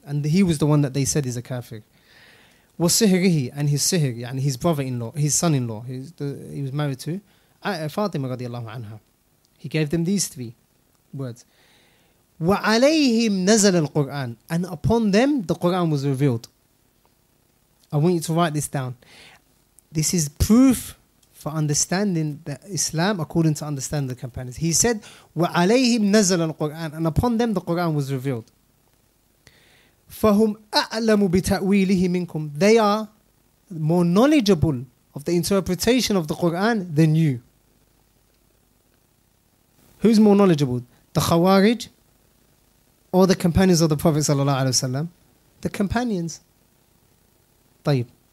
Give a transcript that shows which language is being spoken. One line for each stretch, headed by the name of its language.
English: And he was the one that they said is a kafir. وَصِهْرِهِ, and his sihr, and his brother-in-law, his son-in-law, he was married to Fatima radiallahu anha. He gave them these three words.
Arabic: وَعَلَيْهِمْ نَزَلَ الْقُرْآنِ.
English: And upon them the Quran was revealed. I want you to write this down. This is proof for understanding the Islam according to understanding the companions. He said,
Arabic: وَعَلَيْهِمْ نَزَلَ الْقُرْآنِ.
English: And upon them the Quran was revealed.
Arabic: فَهُمْ أَعْلَمُ بِتَأْوِيلِهِ مِنْكُمْ.
English: They are more knowledgeable of the interpretation of the Quran than you. Who's more knowledgeable? The Khawarij or the companions of the Prophet ﷺ? The companions. طيب.